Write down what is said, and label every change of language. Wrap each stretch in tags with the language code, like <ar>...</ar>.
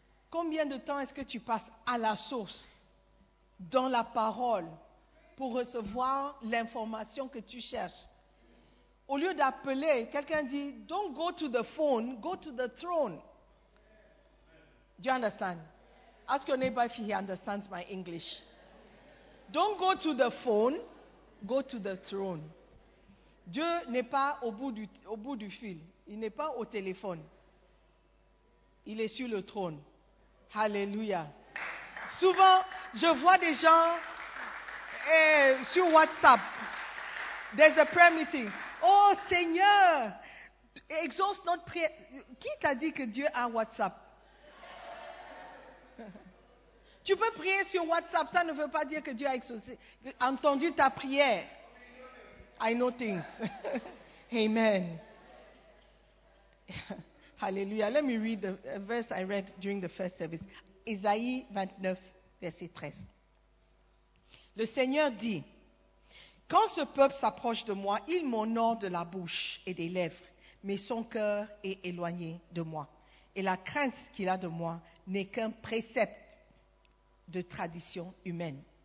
<fr>Combien de temps est-ce que tu passes à la source, dans la parole, pour recevoir l'information que tu cherches? Au lieu d'appeler, quelqu'un dit,</fr> <en>don't go to the phone, go to the throne. Do you understand? Ask your neighbor if he understands my English. Don't go to the phone, go to the throne.</en> <fr>Dieu n'est pas au bout du fil. Il n'est pas au téléphone. Il est sur le trône. Hallelujah. Souvent, je vois des gens sur WhatsApp.</fr> <en>There's a prayer meeting.</en> <fr>Oh Seigneur, exauce notre prière. Qui t'a dit que Dieu a WhatsApp? Tu peux prier sur WhatsApp, ça ne veut pas dire que Dieu a exaucé, entendu ta prière.</fr> <en>I know things. Amen. Hallelujah. Let me read the verse I read during the first service.</en> <fr>Ésaïe 29, verset 13. Le Seigneur dit, « Quand ce peuple s'approche de moi, il m'honore de la bouche et des lèvres, mais son cœur est éloigné de moi. Et la crainte qu'il a de moi n'est qu'un précepte de tradition humaine.</fr>